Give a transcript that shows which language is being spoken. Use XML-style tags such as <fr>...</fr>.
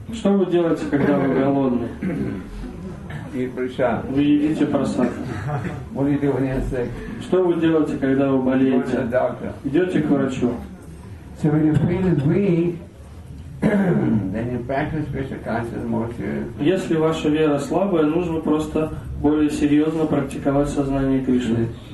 <ru>Что вы делаете, когда вы голодны?</ru> <en>Eat prasad.</en> <ru>Вы едите прасад.</ru> <en>What do you do when you're sick?</en> <ru>Что вы делаете, когда вы болеете? Идете к врачу.</ru> <en>So when your faith is weak, then you practice Krishna consciousness more seriously.</en> <ru>Если ваша вера слабая, нужно просто более серьезно практиковать сознание Кришны.</ru>